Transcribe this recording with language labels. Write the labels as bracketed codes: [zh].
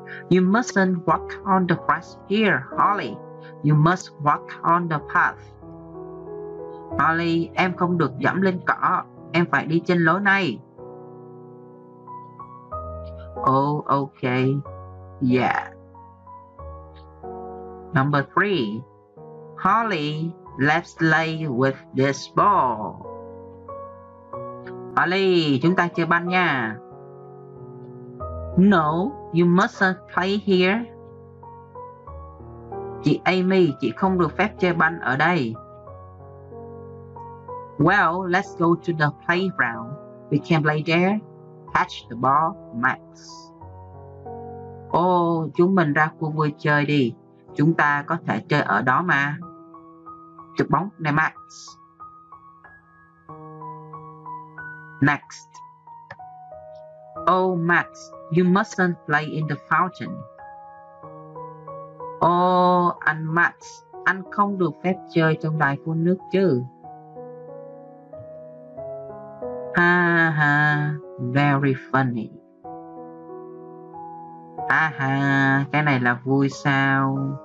[en] You mustn't walk on the grass here, Holly. You must walk on the path. [vi] Holly, em không được dẫm lên cỏ. Em phải đi trên lối này. [en] Oh, okay. Yeah. Number three. Holly, let's play with this ball. [vi] Holly, chúng ta chơi banh nha. [en] No, you mustn't play here. [vi] Chị Amy, chị không được phép chơi banh ở đây. [en] Well, let's go to the playground. We can play there. Catch the ball, [vi] Max. Oh, chúng mình ra khu vui chơi đi. Chúng ta có thể chơi ở đó mà. Chụp bóng này, Max. [en] Next. Oh, Max, you mustn't play in the fountain. [vi] Oh, anh Max, anh không được phép chơi trong đài phun nước chứ. [en] Ha ha, very funny. [vi] Ha ha, cái này là vui sao?